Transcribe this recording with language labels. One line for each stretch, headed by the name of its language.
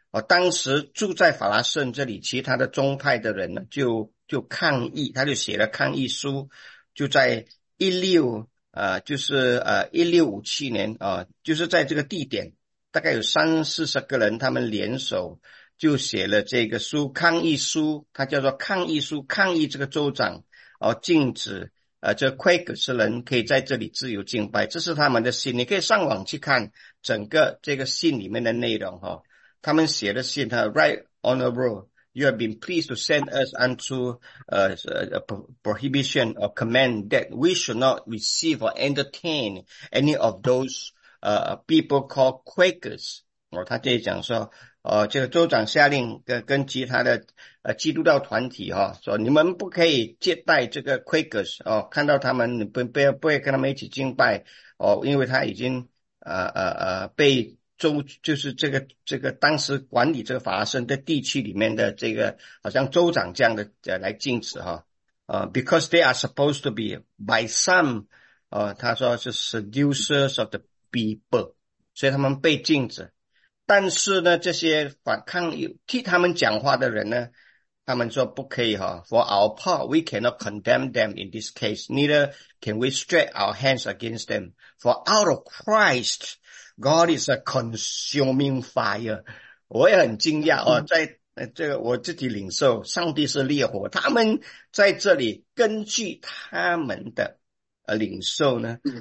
Chinese: 当时住在法拉盛这里，其他的宗派的人呢，就抗议，他就写了抗议书，就在1657年，就是在这个地点。大概有30-40个人，他们联手就写了这个书，抗议书，它叫做抗议书，抗议这个州长，禁止这 Quakers 人可以在这里自由敬拜，这是他们的信。
English: 你可以上网去看整个这个信里面的内容哈，他们写的信哈， Right Honorable, you have been pleased to send us unto prohibition or command that we should not receive or entertain any of those。
Chinese: people call Quakers，他这里讲说，这个州长下令跟其他的基督教团体说你们不可以接待这个 Quakers 看到他们你不会跟他们一起敬拜因为他已经被州就是这个当时管理这个法拉盛的地区里面的这个好像州长这样的来禁止 because they are supposed to be by some 他说是 seducers of the people，所以他们被禁止。但是呢，这些反抗有替他们讲话的人呢，他们说不可以哈。
English: For our part, we cannot condemn them in this case. Neither can we stretch our hands against them. For out of Christ, God is a consuming fire.
Chinese: 我也很惊讶哦，在这个我自己领受，上帝是烈火。他们在这里根据他们的领受呢。